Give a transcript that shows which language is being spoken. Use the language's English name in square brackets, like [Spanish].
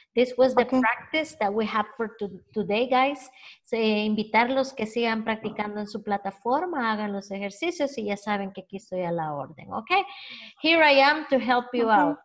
[English] This was the practice that we have for today, guys. [Spanish] So, invitarlos que sigan practicando en su plataforma, hagan los ejercicios y ya saben que aquí estoy a la orden. [English] Okay, here I am to help you out.